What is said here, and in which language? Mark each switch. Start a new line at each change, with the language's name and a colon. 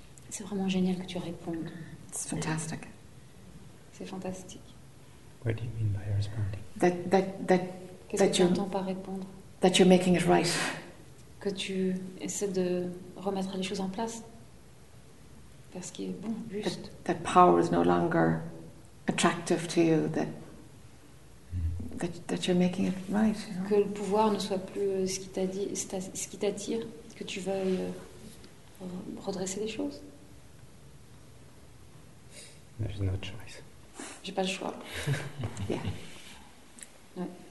French: C'est vraiment génial que tu répondes.
English: It's fantastic.
French: C'est fantastique.
English: What do you mean by responding? That
French: que tu entends par répondre?
English: That you're making it right.
French: Que tu essaies de remettre les choses en place. Parce qu'il est bon, juste.
English: That power is no longer attractive to you. That you're making it right. You know?
French: Que le pouvoir ne soit plus ce qui, ce qui t'attire, que tu veuilles redresser les choses.
English: There's no choice.
French: J'ai pas le choix.
English: Yeah.
French: Ouais.